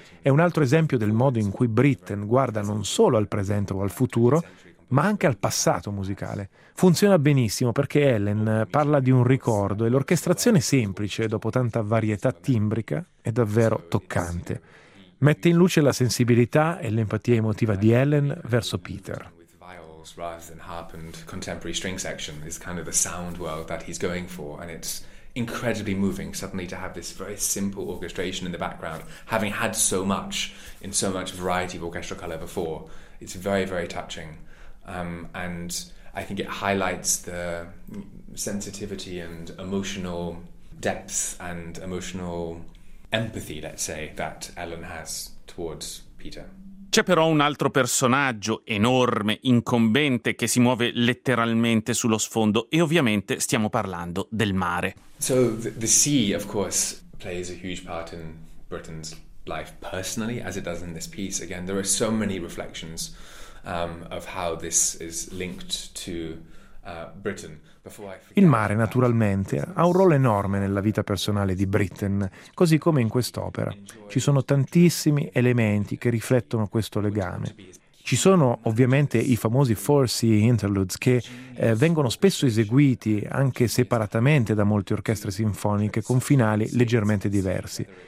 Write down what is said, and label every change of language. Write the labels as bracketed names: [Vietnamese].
[Italian] È un altro esempio del modo in cui Britten guarda non solo al presente o al futuro, ma anche al passato musicale. Funziona benissimo perché Ellen parla di un ricordo e l'orchestrazione semplice, dopo tanta varietà timbrica, è davvero toccante. Mette in luce la sensibilità e l'empatia emotiva di Ellen verso Peter. [English] Rather than harp and contemporary string section is kind of the sound world that he's going for, and it's incredibly moving suddenly to have this very simple orchestration in the background, having had so much in so much variety of orchestral color before. It's very, very touching, and I think it highlights the sensitivity and emotional depth and emotional empathy, let's say, that Ellen has towards Peter. [Italian] C'è però un altro personaggio enorme, incombente, che si muove letteralmente sullo sfondo, e ovviamente stiamo parlando del mare. [English] So the sea, of course, plays a huge part in Britten's life personally, as it does in this piece. Again, there are so many reflections of how this is linked to Britten. [Italian] Il mare, naturalmente, ha un ruolo enorme nella vita personale di Britten, così come in quest'opera. Ci sono tantissimi elementi che riflettono questo legame. Ci sono ovviamente i famosi Four Sea Interludes che vengono spesso eseguiti anche separatamente da molte orchestre sinfoniche con finali leggermente diversi.